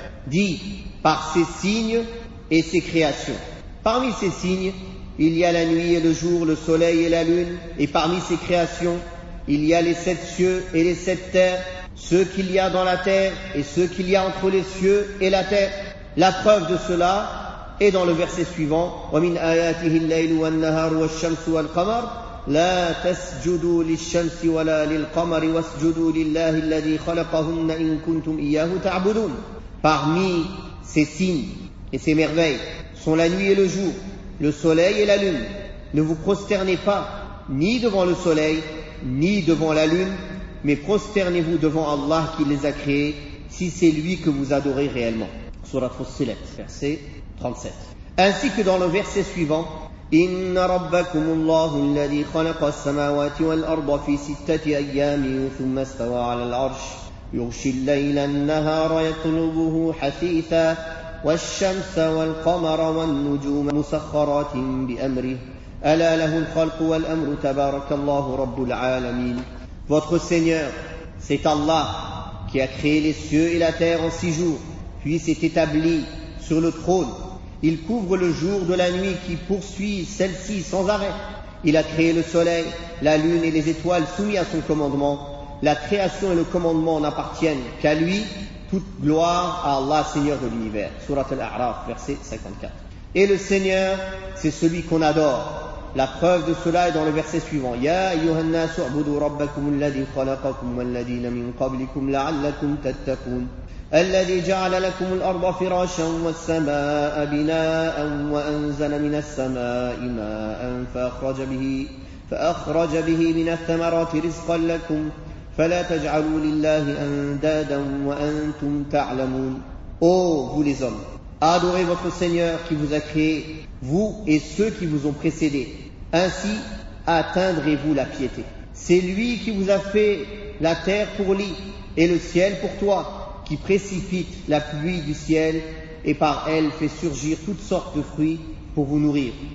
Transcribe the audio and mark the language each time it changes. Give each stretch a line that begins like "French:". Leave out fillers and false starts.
French: Dis: par ses signes et ses créations. Parmi ses signes, il y a la nuit et le jour, le soleil et la lune. Et parmi ses créations, il y a les sept cieux et les sept terres, ce qu'il y a dans la terre et ce qu'il y a entre les cieux et la terre. La preuve de cela est dans le verset suivant:
Arabic: وَمِنْ آيَاتِهِ اللَّيْلُ وَالنَّهَارُ وَالشَّمْسُ وَالْقَمَرُ لا تسجدوا للشمس ولا للقمر واسجدوا لله الذي خلقهن إن كنتم إياه تعبدون.
French: Parmi ces signes et ces merveilles sont la nuit et le jour, le soleil et la lune. Ne vous prosternez pas ni devant le soleil ni devant la lune, mais prosternez-vous devant Allah qui les a créés, si c'est lui que vous adorez réellement. Sourate Fussilet, verset 37. Ainsi que dans le verset suivant:
Arabic: إن ربكم الله الذي خلق السماوات والأرض في ستة أيام ثم استوى على العرش يغشي الليل النهار يطلبه حثيثا والشمس والقمر والنجوم مسخرات بأمره ألا له الخلق والأمر تبارك الله رب العالمين.
French: Votre Seigneur, c'est Allah qui a créé les cieux et la terre en six jours, puis s'est établi sur le trône. Il couvre le jour de la nuit qui poursuit celle-ci sans arrêt. Il a créé le soleil, la lune et les étoiles soumis à son commandement. La création et le commandement n'appartiennent qu'à lui. Toute gloire à Allah, Seigneur de l'univers. Sourate Al-A'raf, verset 54. Et le Seigneur, c'est celui qu'on adore. La preuve de cela est dans le verset suivant.
Arabic: Ya ayyuhan nas a'budu rabbakum alladhi khalaqakum walladhina min qablikum la'allakum tattaqun. الذي جعل لكم الأرض فراشا والسماء بناء وأنزل من السماء ماء فأخرج به من الثمرات رزقا لكم فلا تجعلوا لله أندادا وأنتم تعلمون.
French: vous les hommes, adorez votre Seigneur qui vous a créé, vous et ceux qui vous ont précédés. Ainsi atteindrez-vous la piété. C'est lui qui vous a fait la terre pour lit et le ciel pour toit, qui précipite la pluie du ciel et par elle fait surgir toutes sortes de fruits pour vous nourrir.